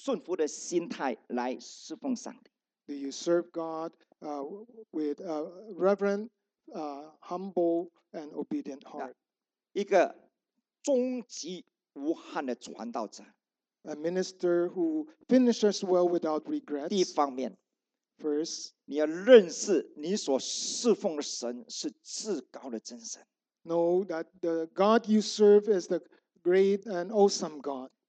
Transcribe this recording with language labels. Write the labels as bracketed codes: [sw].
[zh] 请问你是不是存着敬畏、谦卑、顺服的心态来侍奉上帝? [en] Do you serve God with a reverent, humble, and obedient heart? [zh] 一个终极无憾的传道者, [en] a minister who finishes well without regrets. [zh] 第一方面, [en] First, [zh] 你要认识你所侍奉的神是至高的真神。 [en] Know that the God you serve is the great and awesome God.